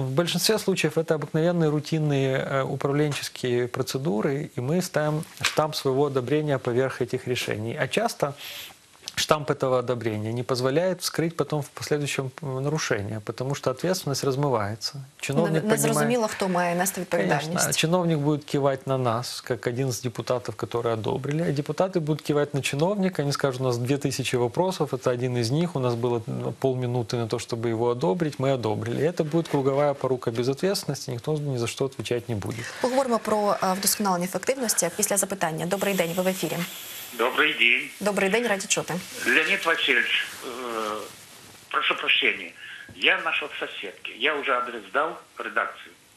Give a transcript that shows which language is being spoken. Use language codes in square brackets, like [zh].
[ru] В большинстве случаев это обыкновенные рутинные управленческие процедуры, и мы ставим штамп своего одобрения поверх этих решений. А часто штамп этого одобрения не позволяет вскрыть потом в последующем нарушение, потому что ответственность размывается. [uk] Чиновник не зрозуміло, хто має нести відповідальність. [ru] Конечно, чиновник будет кивать на нас, как один из депутатов, которые одобрили, а депутаты будут кивать на чиновника, они скажут, у нас 2000 вопросов, это один из них, у нас было полминуты на то, чтобы его одобрить, мы одобрили. И это будет круговая порука безответственности, никто ни за что отвечать не будет. [uk] Поговоримо про вдосконалення ефективності після запитання. Добрий день, ви в ефірі. [ru] Добрый день. Добрый день, ради чего ты? Леонид Васильевич, прошу прощения, я нашел соседки, я уже адрес дал редакции.